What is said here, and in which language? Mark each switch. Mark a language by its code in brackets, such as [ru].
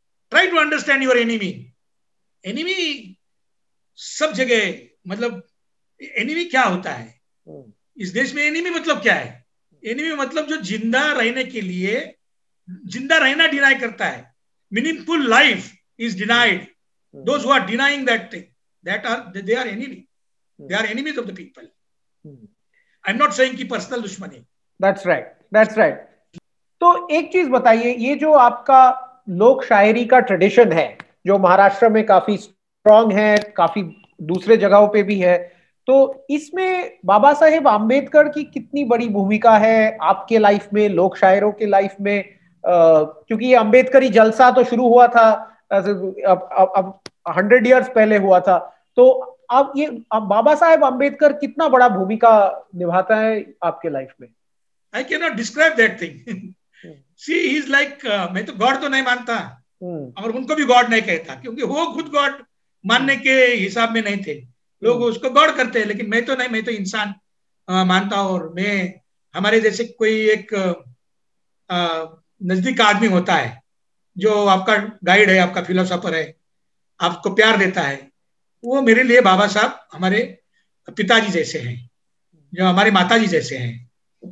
[en] Try to understand your enemy. [hi] Enemy सब जगह, मतलब एनिमी क्या होता है इस देश में, एनिमी मतलब क्या है? एनिमी मतलब जो जिंदा रहने के लिए, जिंदा रहना डिनाई करता है, [en] Meaningful life is denied, those who are denying that thing, that are they are enemy, they are enemies of the people. I'm not saying [hi] ki personal dushmani, [en] that's right, that's right. [hi] To ek cheez bataiye, ye jo aapka lok shayari ka tradition hai jo maharashtra mein kafi strong hai, kafi dusre jagahon pe bhi hai, to isme baba sahib ambedkar ki kitni badi bhumika hai aapke life mein, lok shayaron ke life mein, kyunki ye ambedkari jalsa to shuru hua tha 100 years पहले हुआ था, तो अब ये बाबा साहेब अंबेडकर कितना बड़ा भूमिका निभाता है आपके लाइफ में? [en] I can not describe that thing, see he is like, [hi] मैं तो गॉड तो नहीं मानता और उनको भी गॉड नहीं कहता, क्योंकि वो खुद गॉड मानने के हिसाब में नहीं थे, लोग उसको गॉड करते हैं, लेकिन मैं तो नहीं, मैं तो इंसान मानता हूं, और मैं हमारे जैसे कोई एक नजदीक का आदमी होता है जो आपका गाइड है, आपका फिलोसोफर है, आपको प्यार देता है, वो मेरे लिए बाबा साहब हमारे पिताजी जैसे हैं, जो हमारे माताजी जैसे हैं।